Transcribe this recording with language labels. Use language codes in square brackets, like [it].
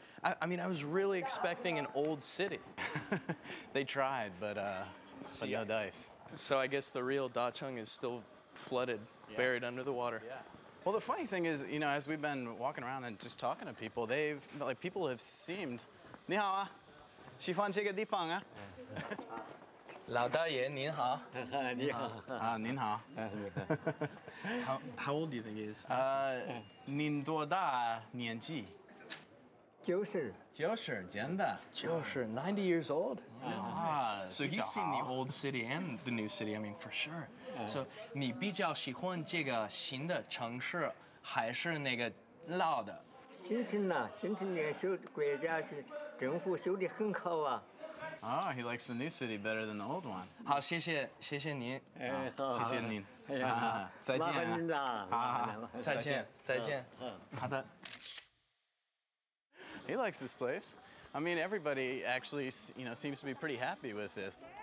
[en] I mean, I was really expecting an old city. They tried, but no dice. So I guess the real Dacheng is still flooded, buried under the water. Yeah. Well, the funny thing is, you know, as we've been walking around and just talking to people, people have seemed. [zh] 你好啊，喜欢这个地方啊。老大爷您好。你好。啊，您好。 [en] How old do you think he is? [zh] 您多大年纪？就是 [en] 90 years old. So he's seen the old city and the new city, I mean, for sure. So, [zh] 你比较喜欢这个新的城市还是那个老的？新城年修国家政府修的很好啊。 [en] Oh, he likes the new city better than the old one. [zh] 好，谢谢您。哎，好，谢谢您。哎呀，再见。麻烦您了。好，再见。好的。 [en] He likes this place. I mean, everybody actually, you know, seems to be pretty happy with this.